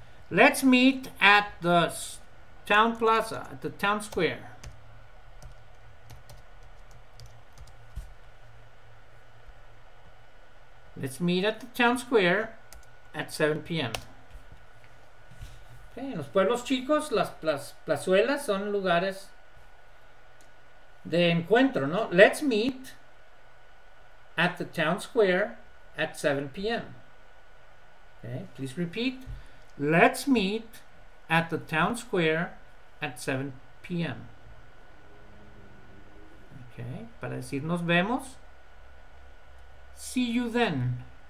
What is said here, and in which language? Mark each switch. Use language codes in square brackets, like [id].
[en] Let's meet at the town plaza, at the town square. Let's meet at the town square at 7 p.m. [es] Okay, en los pueblos chicos, las plazuelas son lugares de encuentro, ¿no? [en] Let's meet at the town square at 7 p.m. Okay, please repeat. Let's meet at the town square at 7 p.m. [es] Okay, para decir nos vemos. [en] See you then.